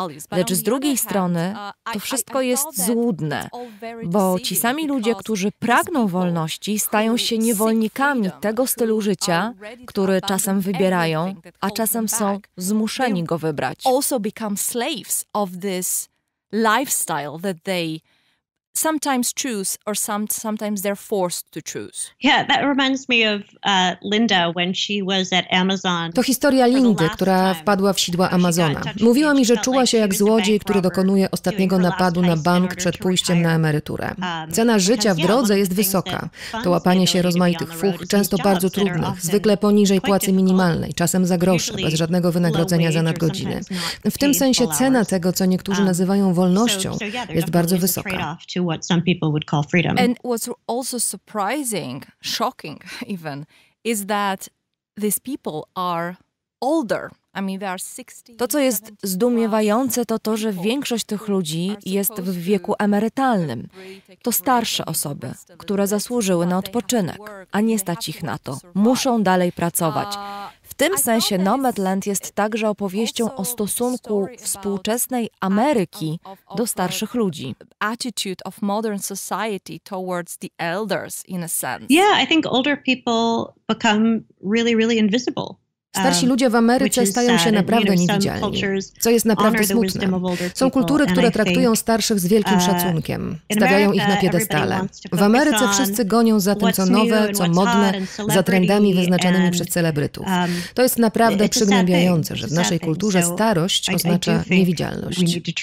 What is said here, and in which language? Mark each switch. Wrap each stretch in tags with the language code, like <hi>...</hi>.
<pl>Lecz z drugiej strony to wszystko jest złudne, bo ci sami ludzie, którzy pragną wolności, stają się niewolnikami tego stylu życia, który czasem wybierają, a czasem są zmuszeni go wybrać.</pl> <en>Also become slaves of this lifestyle that they sometimes choose, or sometimes they're forced to choose. Yeah, that reminds me of Linda when she was at Amazon.</en> <pl>To historia Lindy, która wpadła w sidła Amazona. Mówiła mi, że czuła się jak złodziej, który dokonuje ostatniego napadu na bank przed pójściem na emeryturę. Cena życia w drodze jest wysoka. To łapanie się rozmaitych fuch, często bardzo trudnych, zwykle poniżej płacy minimalnej, czasem za grosze, bez żadnego wynagrodzenia za nadgodziny. W tym sensie cena tego, co niektórzy nazywają wolnością, jest bardzo wysoka.</pl> <en>To what some people would call freedom. And what's also surprising, shocking even, is that these people are older.</en> <pl>To, co jest zdumiewające, to to, że większość tych ludzi jest w wieku emerytalnym. To starsze osoby, które zasłużyły na odpoczynek, a nie stać ich na to. Muszą dalej pracować. W tym sensie Nomadland jest także opowieścią o stosunku współczesnej Ameryki do starszych ludzi.</pl> <en>Attitude of modern society towards the elders, in a sense. Yeah, I think older people become really, really invisible.</en> <pl>Starsi ludzie w Ameryce stają się naprawdę niewidzialni, co jest naprawdę smutne. Są kultury, które traktują starszych z wielkim szacunkiem, stawiają ich na piedestale. W Ameryce wszyscy gonią za tym, co nowe, co modne, za trendami wyznaczanymi przez celebrytów. To jest naprawdę przygnębiające, że w naszej kulturze starość oznacza niewidzialność.</pl>